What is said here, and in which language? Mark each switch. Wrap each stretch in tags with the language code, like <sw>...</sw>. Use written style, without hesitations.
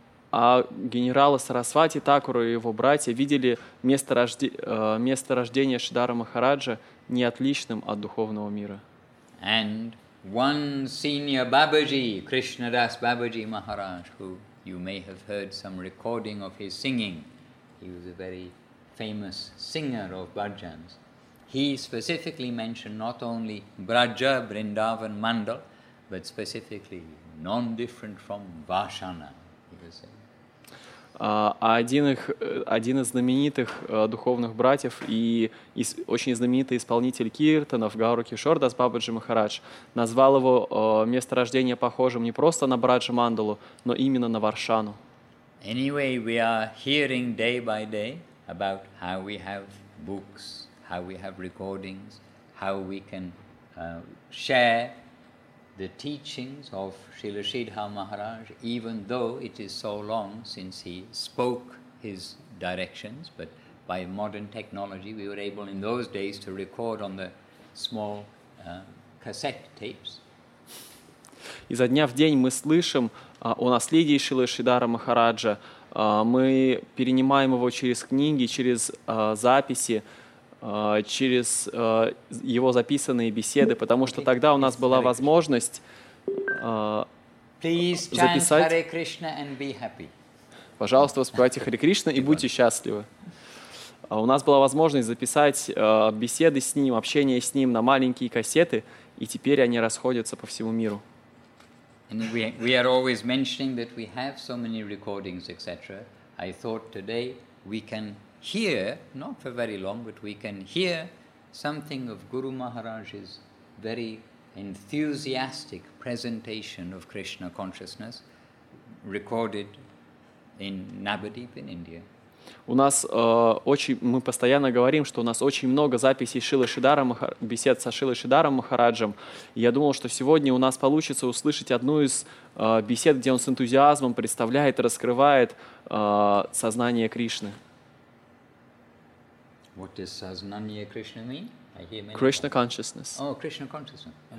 <ru>А генералы Сарасвати Такура и его братья видели место рождения Шридхара Махараджа не отличным от духовного мира.</ru> <en>And one senior Babaji, Krishnadas Babaji Maharaj, who you may have heard some recording of his singing, he was a very famous singer of bhajans. He specifically mentioned not only Braja, Vrindavan, Mandal, but specifically non-different from Vashana, he was saying.</en> <ru>А один из знаменитых духовных братьев и очень знаменитый исполнитель киртанов Гаура Кишор Дас Бабаджи Махарадж назвал его место рождения похожим не просто на Браджа Мандалу, но именно на Варшану.</ru> <en>Anyway, we are hearing day by day about how we have books, how we have recordings, how we can share the teachings of Srila Sridhar Maharaj, even though it is so long since he spoke his directions, but by modern technology we were able in those days to record on the small cassette tapes.</en> <ru>Изо дня в день мы слышим о наследии Шрилы Шридхара Махараджа. Мы перенимаем его через книги, через записи, через его записанные беседы, потому что тогда у нас была возможность записать.</ru> <en>Please chant Hare Krishna and be happy.</en> <ru>Пожалуйста, воспевайте Харе Кришна и будьте счастливы. У нас была возможность записать беседы с ним, общение с ним на маленькие кассеты, и теперь они расходятся по всему миру.</ru> <en>And we are always mentioning that we have so many recordings, etc. I thought today we can hear, not for very long, but we can hear something of Guru Maharaj's very enthusiastic presentation of Krishna consciousness recorded in Nabadeep in India.</en> <ru>У нас мы постоянно говорим, что у нас очень много записей Шрилы Шридхара Махараджа, бесед со Шрилой Шридхаром Махараджем. Я думал, что сегодня у нас получится услышать одну из бесед, где он с энтузиазмом представляет и раскрывает сознание Кришны.</ru> <en>What does Saznanya Krishna mean? I hear many Krishna times. Consciousness. Oh, Krishna consciousness.</en>